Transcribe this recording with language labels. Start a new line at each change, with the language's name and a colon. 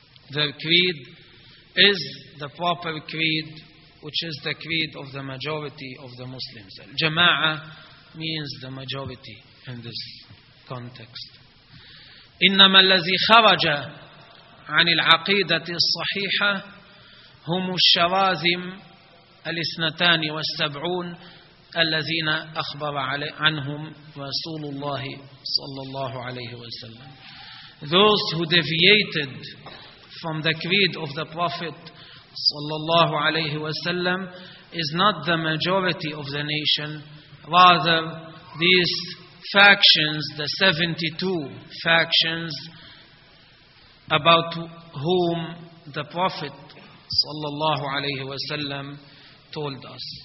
English: The creed is the proper creed, which is the creed of the majority of the Muslims. Jama'ah means the majority in this context.
Arabic: إنما الذي خرج عن العقيدة الصحيحة هم الشواذم الاثنتان والسبعون الذين أخبر عنهم رسول الله صلى الله عليه وسلم.
English: Those who deviated from the creed of the Prophet
Arabic: صلى الله عليه وسلم
English: is not the majority of the nation, rather these factions, the 72 factions about whom the Prophet
Arabic: صلى الله عليه وسلم
English: told us.